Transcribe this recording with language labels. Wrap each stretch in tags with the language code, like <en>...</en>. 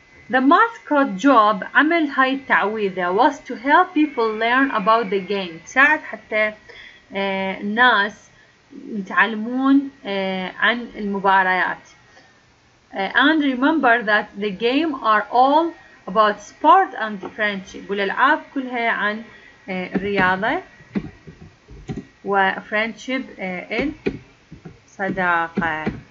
<en>The mascot job</en> <ar>عمل هاي التعويذة</ar> <en>was to help people learn about the game.</en> <ar>ساعد حتى الناس يتعلمون عن المباريات.</ar> <en>And remember that the game are all about sport and friendship.</en> <ar>والألعاب كلها عن رياضة و friendship الصداقة.</ar>